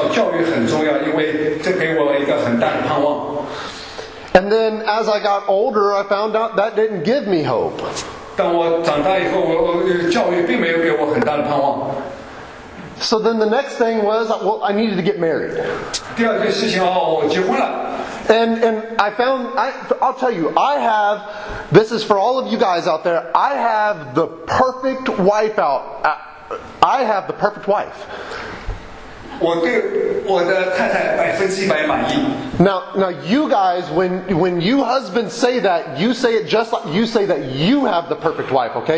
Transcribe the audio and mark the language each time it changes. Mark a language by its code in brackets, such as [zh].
[zh] 我小时候的时候，我想每一件事情都很重要。比如说，我小时候的我就知道教育很重要，因为这给我一个很大的盼望。 [en] And then as I got older, I found out that didn't give me hope. [zh] 当我长大以后，我教育并没有给我很大的盼望。 [en] So then the next thing was, well, I needed to get married. [zh] 第二件事情，哦，我结婚了。 [en] And I found, I'll tell you, I have, this is for all of you guys out there, I have the perfect wife out. I have the perfect wife. [zh] 我对我的太太100%满意。 [en] Now you guys, when you husbands say that, you say it just like, you say that you have the perfect wife, okay?